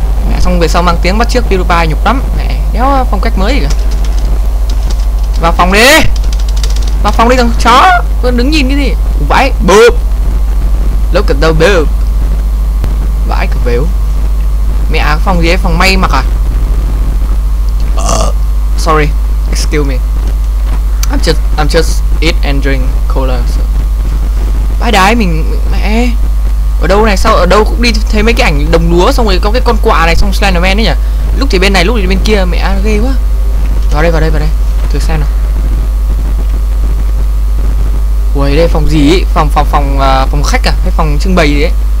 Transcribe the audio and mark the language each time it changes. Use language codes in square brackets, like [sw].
[vi] Mẹ xong về sau mang tiếng bắt chước PewDiePie nhục lắm. Mẹ đéo phong cách mới gì cả. Vào phòng đi, vào phòng đi thằng chó, con đứng nhìn cái gì. Vãi, bơm. [en] Look at the [vi] bơm. Vãi cực vếu. Mẹ, phòng gì ấy, phòng may mặc à. [en] Sorry, excuse me. I'm just eat and drink cola so. [vi] Vãi đái mình, mẹ. Ở đâu này, sao ở đâu cũng đi thấy mấy cái ảnh đồng lúa. Xong rồi có cái con quạ này, xong Slenderman ấy nhỉ. Lúc thì bên này, lúc thì bên kia, mẹ ghê quá. Vào đây, thử xem nào. Ủa đây phòng gì ý? Phòng khách à, hay phòng trưng bày gì đấy.